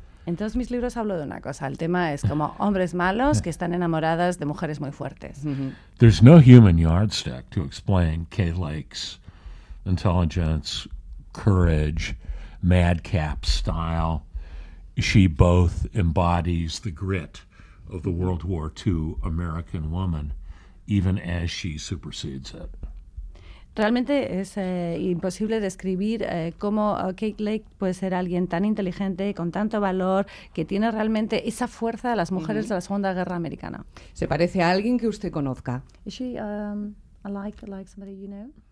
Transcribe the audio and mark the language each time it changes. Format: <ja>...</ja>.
<es>En todos mis libros hablo de una cosa. El tema es como hombres malos que están enamoradas de mujeres muy fuertes. Mm-hmm.</es> <en>There's no human yardstick to explain Kay Lake's intelligence, courage, madcap style. She both embodies the grit of the World War II American woman, even as she supersedes it.</en> <es>Realmente es imposible describir cómo Kay Lake puede ser alguien tan inteligente, con tanto valor, que tiene realmente esa fuerza de las mujeres mm-hmm. de la Segunda Guerra Americana. ¿Se parece a alguien que usted conozca?</es> <en>Is she like somebody you know?</en>